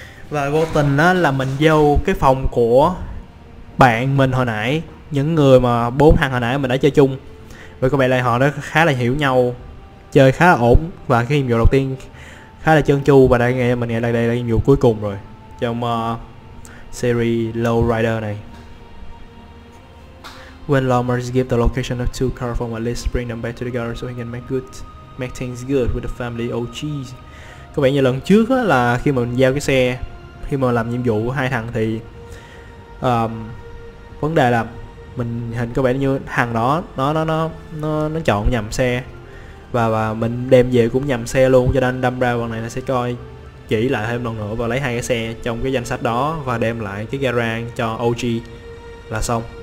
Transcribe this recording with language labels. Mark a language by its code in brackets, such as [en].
[vi] Và vô tình á là mình vô cái phòng của bạn mình hồi nãy. Những người mà bốn thằng hồi nãy mình đã chơi chung. Và có vẻ là họ đã khá là hiểu nhau, chơi khá là ổn. Và cái nhiệm vụ đầu tiên khá là trơn tru. Và đây mình nghe là đây là nhiệm vụ cuối cùng rồi. trong series Lowrider này. [en] When Lawmers give the location of two cars from a list, bring them back to the garage so he can make things good with the family. Oh jeez. [vi] Có vẻ như lần trước á, là khi mà mình giao cái xe, khi mà làm nhiệm vụ hai thằng thì vấn đề là mình hình có vẻ như thằng đó nó chọn nhầm xe và mình đem về cũng nhầm xe luôn, cho nên đâm ra bọn này nó sẽ coi chỉ lại thêm lần nữa và lấy hai cái xe trong cái danh sách đó và đem lại cái garage cho OG là xong.